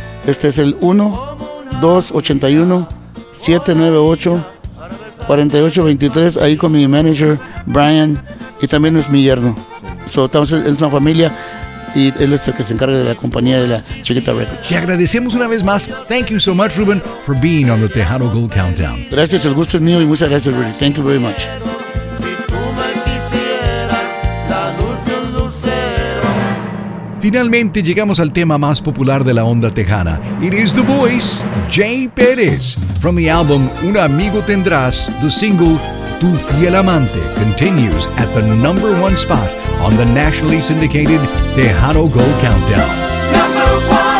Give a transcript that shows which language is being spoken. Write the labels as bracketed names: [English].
[Spanish] Es el 1-281-798-4823, ahí con mi manager Brian, y también es mi yerno. Estamos en una familia y él es el que se encarga de la compañía de la Chiquita Records. Te agradecemos una vez más. [English] Thank you so much, Ruben, for being on the Tejano Gold Countdown. [Spanish] Gracias, el gusto es mío y muchas gracias, Rudy. [English] Thank you very much. [Spanish] Finalmente llegamos al tema más popular de la onda tejana. [English] It is the voice, Jay Perez. From the album Un Amigo Tendrás, the single Tu Fiel Amante continues at the number one spot on the nationally syndicated Tejano Gold Countdown.